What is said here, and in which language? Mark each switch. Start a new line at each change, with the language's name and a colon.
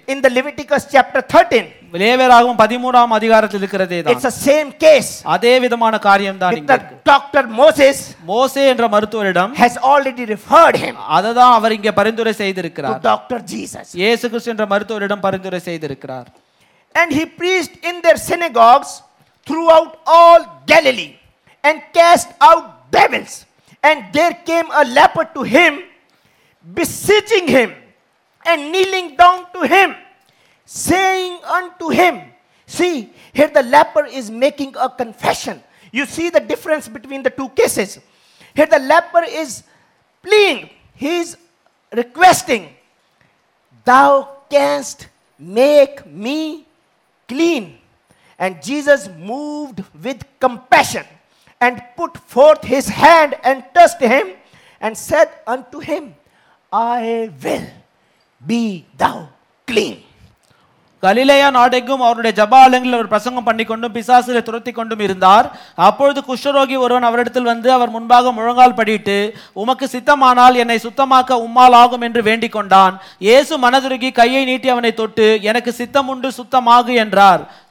English: In the Leviticus chapter 13.
Tamil: லேவியராகமம் 13 அதிகாரத்தில் இருக்கிறதே தான்.
English: It's the same case.
Tamil: அதே விதமான காரியம் தான் இங்கே.
English: With the doctor Moses.
Tamil: மோசே என்ற மருத்துவரிடம்.
English: Has already referred him.
Tamil: அததான் அவர் இங்கே பரிந்துரை செய்திருக்கிறார்.
English: To doctor Jesus.
Tamil: இயேசு கிறிஸ்து என்ற மருத்துவரிடம் பரிந்துரை செய்திருக்கிறார்.
English: And he preached in their synagogues throughout all Galilee and cast out devils. And there came a leper to him, beseeching him, and kneeling down to him, saying unto him, see, here the leper is making a confession. You see the difference between the two cases. Here the leper is pleading, he is requesting, thou canst make me clean. And Jesus moved with compassion. And put forth his hand and touched him and said unto him, I will be thou clean.
Tamil: Galilea நாடெங்கும் அவருடைய ஜபாலயங்களில் அவர் பிரசங்கம் பண்ணி கொண்டும் பிசாசுகளை துரத்தி கொண்டும் இருந்தார். அப்பொழுது குஷ்டரோகி ஒருவன் அவரிடத்தில் வந்து அவர் முன்பாக முழங்கால் படிட்டு, உமக்கு சித்தமானால் என்னை சுத்தமாக்க உம்மால் ஆகும் என்று வேண்டிக் கொண்டான். இயேசு மனதுருகி கையை நீட்டி அவனை தொட்டு, எனக்கு சித்தம் உண்டு சுத்தமாகு என்றார்.